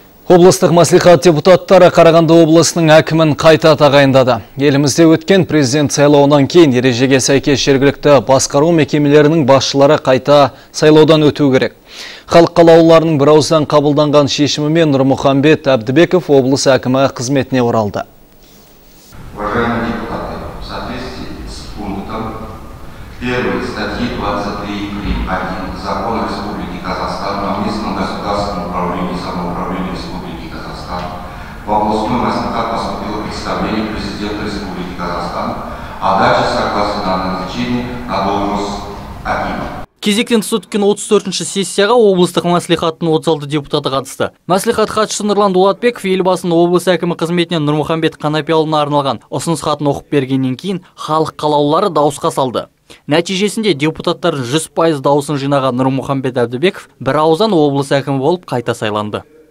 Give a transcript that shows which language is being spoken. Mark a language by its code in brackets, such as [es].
[kk] Облыстық мәслихат депутаттары Қарағанды облысының әкімін қайта тағайындады. Елімізде өткен президент сайлауынан кейін ережеге сәйкес жергілікті басқару мекемелерінің басшылары қайта сайлаудан өту керек. Халық қалаулыларының бір ауыздан қабылданған шешімімен Нұрмұхамбет Әбдібеков облыс әкімі қызметіне оралды. [ru] Уважаемые депутаты, в соответствии с пунктом 1 статьи 23.1 Закона Республики Казахстан о местном государственном управлении и самоуправлении Республики Казахстан в областной мәслихат поступило представление президента Республики Казахстан о даче согласия на назначение на должность акима. [kk] Кезектен тыс өткен 34-ші сессияға облыстық мәслихаттың 36 депутаты қатысты. Мәслихат хатшысы Нұрлан Дулатбеков елбасының облыс әкімі қызметіне Нұрмұхамбет Қанапияұлына арналған ұсыныс хатын оқып бергеннен кейін халық қалаулылары дауысқа салды. Нәтижесінде депутаттардың 100% дауысын жинаған Нұрмұхамбет Әбдібеков бір ауыздан облыс әкімі болып қайта сайланды.